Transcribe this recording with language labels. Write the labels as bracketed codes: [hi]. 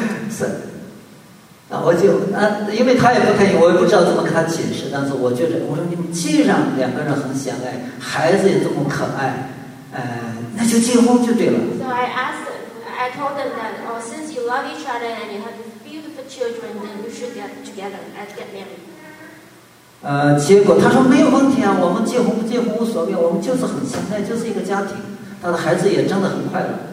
[zh] 是，那我就因为他也不可以，我也不知道怎么跟他解释。但是我觉得，我说你们既然两个人很相爱，孩子也这么可爱，那就结婚就对了。 [en] So I asked, I told them that, oh, since you love each other and you have beautiful children, then you should get together and get married. [zh] 结果他说没有问题啊，我们结婚不结婚无所谓，我们就是很相爱，就是一个家庭，他的孩子也真的很快乐。